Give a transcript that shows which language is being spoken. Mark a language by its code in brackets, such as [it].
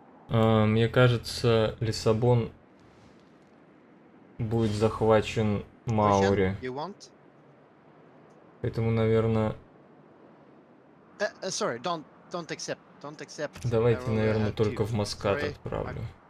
[ru] Мне кажется, Лиссабон будет захвачен Маури. Поэтому, наверное... [en] Sorry, don't accept, don't accept. [ru] Давайте, наверное, только в Маскат отправлю.